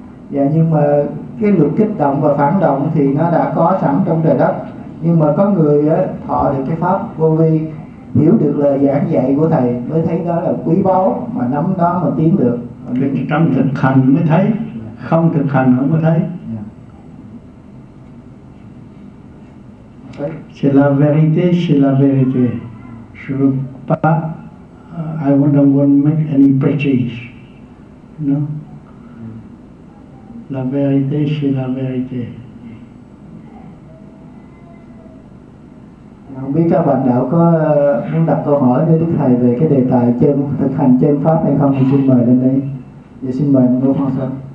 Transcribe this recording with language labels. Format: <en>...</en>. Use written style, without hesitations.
<vi>Dạ, nhưng mà cái luật kích động và phản động thì nó đã có sẵn trong trời đất, nhưng mà có người thọ được cái pháp vô vi, hiểu được lời giảng dạy của thầy mới thấy đó là quý báu, mà nắm đó mà tiến được. Trong thực hành mới thấy, không thực hành không có thấy.</vi> <fr>C'est la vérité, c'est la vérité. Je veux pas,</fr> <en>I don't want to make any prejudice.</en> <fr>No? La vérité, c'est la vérité.</fr> <vi>Không biết các bạn đạo có muốn đặt câu hỏi với Đức Thầy về cái đề tài chân, thực hành chân pháp hay không, thì xin mời lên đây. Dạ, xin mời Ngô Phong Sơn.</vi>